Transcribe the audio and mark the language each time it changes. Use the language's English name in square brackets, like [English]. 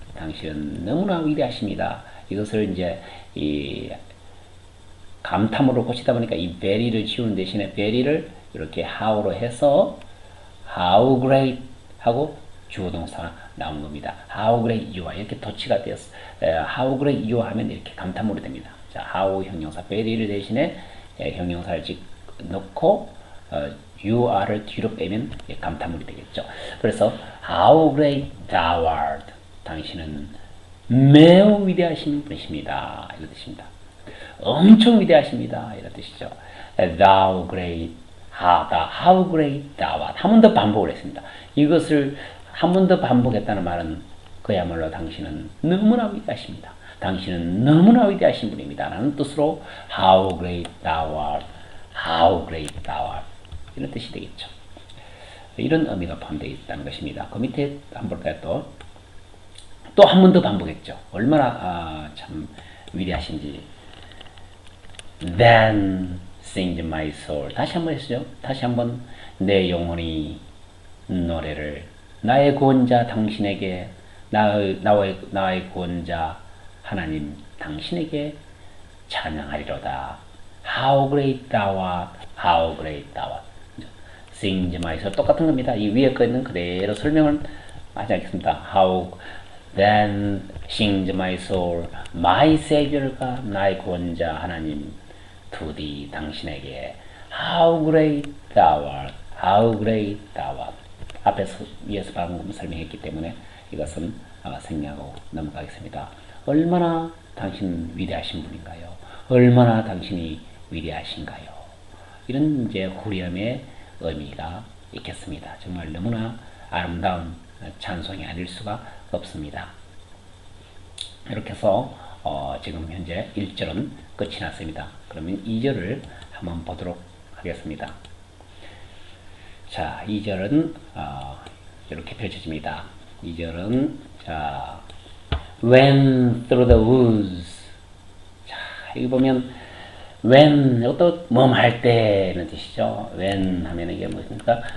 [Korean] 당신은 너무나 위대하십니다. 이것을 이제 이 감탄으로 고치다 보니까 이 very를 지우는 대신에 very를 이렇게 how로 해서 [English] how great [Korean] 하고 주어동사 나온 겁니다. [English] How great you are. [Korean] 이렇게 도치가 되었어. [English] How great you are [Korean] 하면 이렇게 감탄으로 됩니다. 자, how 형용사 very를 대신에 형용사를 넣고 you are를 뒤로 빼면 감탄문이 되겠죠. 그래서 [English] how great thou art. [Korean] 당신은 매우 위대하신 분이십니다. 이런 뜻입니다. 엄청 위대하십니다. 이런 뜻이죠. [English] thou great [Korean] 하다 [English] how great thou art. [Korean] 한번더 반복을 했습니다. 이것을 한번더 반복했다는 말은 그야말로 당신은 너무나 위대하십니다. 당신은 너무나 위대하신 분입니다. 라는 뜻으로 [English] how great thou art. How great thou art. [Korean] 이런 뜻이 되겠죠. 이런 의미가 포함되어 있다는 것입니다. 그 밑에 한번 볼까요? 또한번더 반복했죠. 얼마나 아, 참 위대하신지. [English] Then sings my soul. [Korean] 다시 한번 했죠. 다시 한번 내 영혼이 노래를 나의 구원자 당신에게 나의 구원자 하나님 당신에게 찬양하리로다. [English] How great thou art, how great thou art. Sing my soul. [Korean] 똑같은 겁니다. 이 위에 거 있는 그대로 설명을 하지 않겠습니다. [English] How then sings my soul, my savior가 [Korean] 나의 구원자 하나님, 부디 당신에게. [English] How great thou art, how great thou art. [Korean] 앞에서 위에서 방금 설명했기 때문에 이것은 생략하고 넘어가겠습니다. 얼마나 당신 위대하신 분인가요? 얼마나 당신이 위대하신가요? 이런 이제 후렴의 의미가 있겠습니다. 정말 너무나 아름다운 찬송이 아닐 수가 없습니다. 이렇게 해서 지금 현재 1절은 끝이 났습니다. 그러면 2절을 한번 보도록 하겠습니다. 자, 2절은 이렇게 펼쳐집니다. 2절은 자, [English] When through the woods. [Korean] 자, 여기 보면 When, 이것도 뭐할 때라는 뜻이죠. When 하면 이게 무엇입니까?